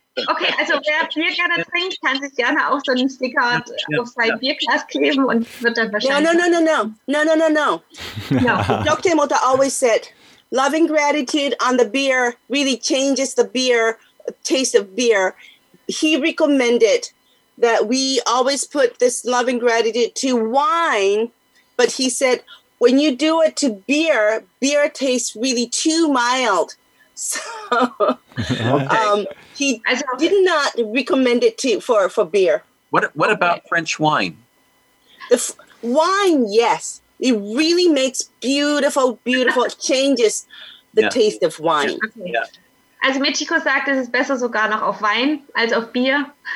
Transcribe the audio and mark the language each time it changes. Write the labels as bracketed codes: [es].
[de] Okay, also wer Bier gerne trinkt, kann sich gerne auch so einen Sticker auf sein Bierglas kleben und wird dann wahrscheinlich. [en] No. Dr. Emoto always said, loving gratitude on the beer really changes the beer, taste of beer. He recommended that we always put this love and gratitude to wine, but he said, when you do it to beer, beer tastes really too mild. So he did not recommend it for beer. What about French wine? The wine, yes. It really makes beautiful, changes the taste of wine. Yeah. [de] Also Michiko sagt, es ist besser sogar noch auf Wein als auf Bier.